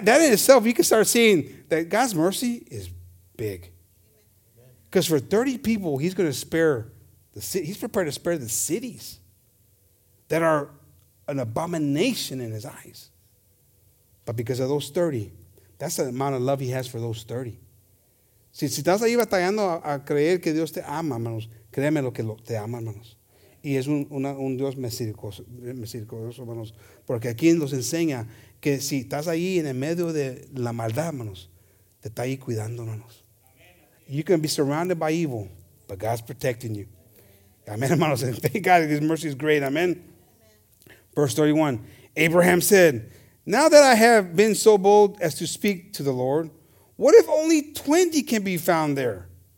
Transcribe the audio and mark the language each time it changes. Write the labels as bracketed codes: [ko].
[en] That in itself, you can start seeing that God's mercy is big. Because for 30 people, he's going to spare the city. He's prepared to spare the cities that are an abomination in his eyes. But because of those 30, that's the amount of love he has for those 30. [es] Si estás ahí batallando a creer que Dios te ama, hermanos, créeme lo que te ama, hermanos. Y es un Dios misericordioso, hermanos. Porque aquí nos enseña que si estás ahí en el medio de la maldad, hermanos, te está ahí cuidando, hermanos. [en] You can be surrounded by evil, but God's protecting you. [es] Amén, hermanos. [en] And thank God his mercy is great. Amen. Verse 31. Abraham said, now that I have been so bold as to speak to the Lord, what if only 20 can be found there?